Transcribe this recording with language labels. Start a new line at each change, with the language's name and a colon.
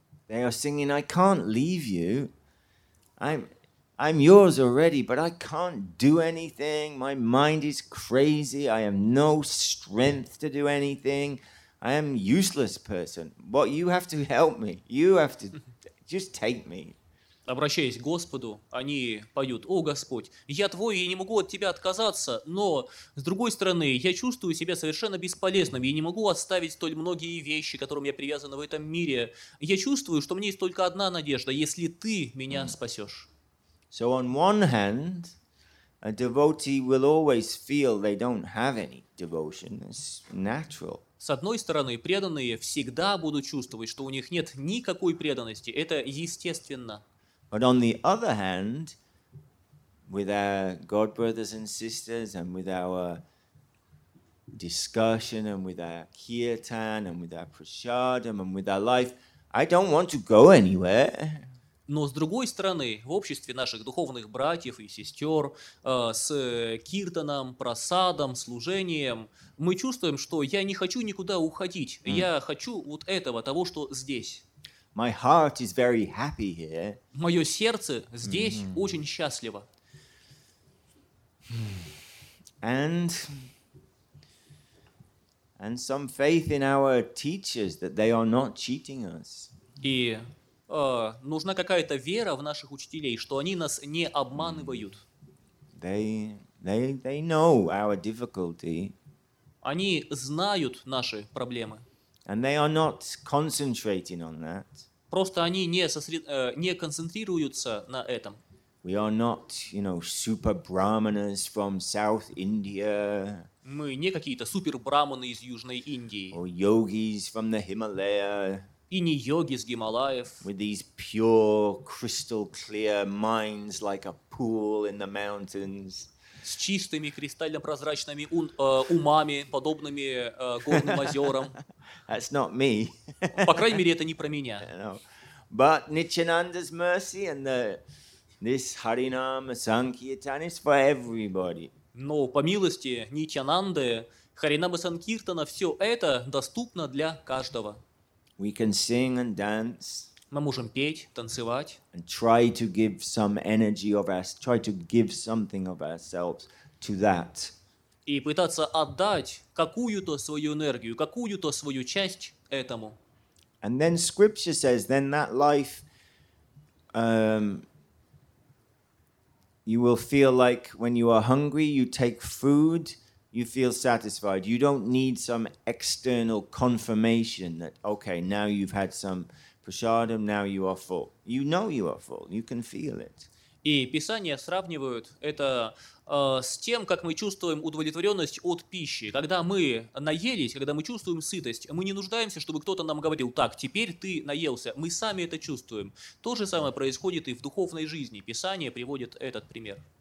English: They are singing, I can't leave you. I'm yours already, but I can't do anything. My mind is crazy. I have no strength to do anything. I am useless person. But you have to help me. You have to just take me.
Russian: Обращаясь к Господу, они поют: «О Господь, я Твой, я не могу от Тебя отказаться, но, с другой стороны, я чувствую себя совершенно бесполезным, я не могу оставить столь многие вещи, которым я привязан в этом мире. Я чувствую, что мне есть только одна надежда, если Ты меня спасешь».
English: So on one hand, a devotee will always feel they don't have any devotion. It's natural.
Russian: С одной стороны, преданные всегда будут чувствовать, что у них нет никакой преданности. Это естественно.
English: But on the other hand, with our God brothers and sisters, and with our discussion, and with our kirtan, and with our prasadam, and with our life, I don't want to go anywhere.
Russian: Но с другой стороны, в обществе наших духовных братьев и сестер, с киртаном, прасадом, служением, мы чувствуем, что я не хочу никуда уходить. Mm. Я хочу вот этого, того, что здесь.
English: My heart is very happy here.
Russian: Мое сердце здесь очень счастливо.
English: And some faith in our teachers that they are not cheating us.
Russian: И нужна какая-то вера в наших учителей, что они нас не обманывают.
English: They know our difficulty.
Russian: Они знают наши проблемы.
English: And they are not concentrating on that.
Russian: Просто они не концентрируются на этом.
English: We are not, you know, super brahmanas from South India.
Russian: Мы не какие-то супер брахманы из Южной Индии.
English: Or yogis from the Himalaya.
Russian: И не йоги с Гималаев.
English: With these pure, crystal clear minds like a pool in the mountains.
Russian: С чистыми кристально прозрачными умами, подобными горным озерам.
English: That's not me.
Russian: По крайней мере, это не про меня.
English: But Nityananda's mercy and the This Харинама Санкиртана is for everybody.
Russian: Но по милости Нитьянанды Харинама Санкиртана все это доступно для каждого.
English: We can sing and dance.
Russian: Мы можем петь, танцевать.
English: And try to give some energy of us, try to give something of ourselves to that.
Russian: И пытаться отдать какую-то свою энергию, какую-то свою часть этому.
English: And then scripture says, then that life, you will feel like when you are hungry, you take food, you feel satisfied. You don't need some external confirmation that, okay, now you've had some prasadam, now you are full. You know you are full, you can feel it.
Russian: И Писание сравнивают это с тем, как мы чувствуем удовлетворенность от пищи. Когда мы наелись, когда мы чувствуем сытость, мы не нуждаемся, чтобы кто-то нам говорил, так, теперь ты наелся, мы сами это чувствуем. То же самое происходит и в духовной жизни. Писание приводит этот пример.